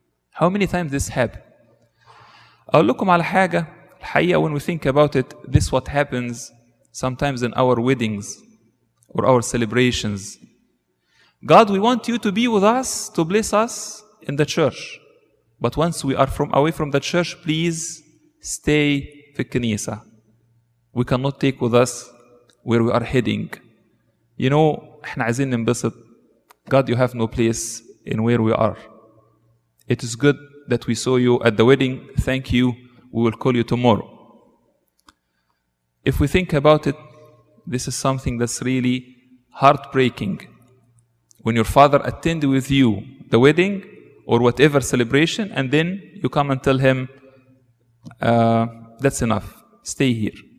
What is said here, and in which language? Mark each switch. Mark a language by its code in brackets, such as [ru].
[en] How many times this happened? I'll look [ar] على حاجة الحقيقة [en] when we think about it, this is what happens sometimes in our weddings or our celebrations. God, we want you to be with us, to bless us in the church. But once we are from away from the church, please stay [ar] في الكنيسة. [en] We cannot take with us where we are heading. You know, [ar] احنا عايزين ننبسط. [en] God, you have no place in where we are. It is good that we saw you at the wedding. Thank you. We will call you tomorrow. If we think about it, this is something that's really heartbreaking. When your father attended with you the wedding or whatever celebration, and then you come and tell him, that's enough, stay here.